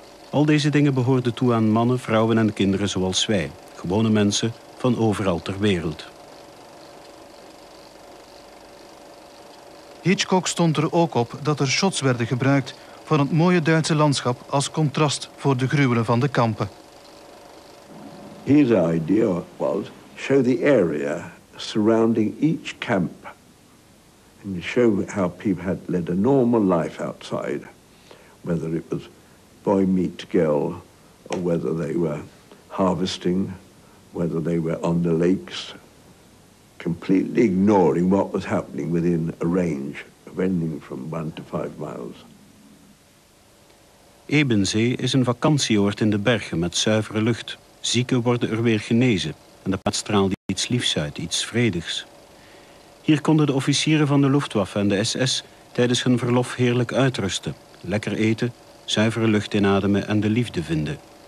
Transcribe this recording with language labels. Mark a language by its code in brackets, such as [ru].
[nl] Al deze dingen behoorden toe aan mannen, vrouwen en kinderen zoals wij, gewone mensen van overal ter wereld. Hitchcock stond er ook op dat er shots werden gebruikt van het mooie Duitse landschap als contrast voor de gruwelen van de kampen. [en] His idea was show the area surrounding each camp, and you show how people had led a normal life outside, whether it was boy meet girl, or whether they were harvesting, whether they were on the lakes, completely ignoring what was happening within a range of anything from 1 to 5 miles. [nl] Ebenzee is een vakantieoord in de bergen met zuivere lucht. Zieken worden er weer genezen en de plaats straalde iets liefs uit, iets vredigs. Hier konden de officieren van de Luftwaffe en de SS tijdens hun verlof heerlijk uitrusten, lekker eten, zuivere lucht inademen en de liefde vinden.